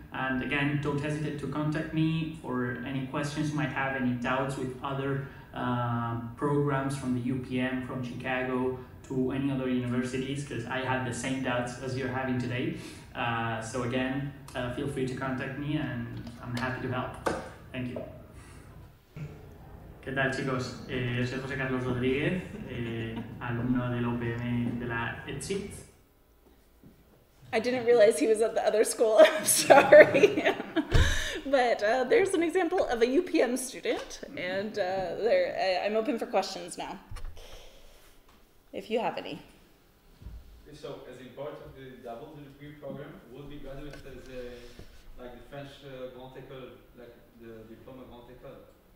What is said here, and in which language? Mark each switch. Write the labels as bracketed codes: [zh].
[en] And again, don't hesitate to contact me for any questions you might have, any doubts with other programs from the UPM, from Chicago, to any other universities, because I have the same doubts as you're having today. So again, feel free to contact me and I'm happy to help. Thank you. [es] ¿Qué tal, chicos? Soy José Carlos Rodríguez, alumno del UPM de la ETSIT. [en] I didn't realize he was at the other school, I'm sorry. But there's an example of a UPM student, and I'm open for questions now, if you have any. So, as a part of the double degree program, would be graduate as a, like the French Grand École, like the Diploma Grand École?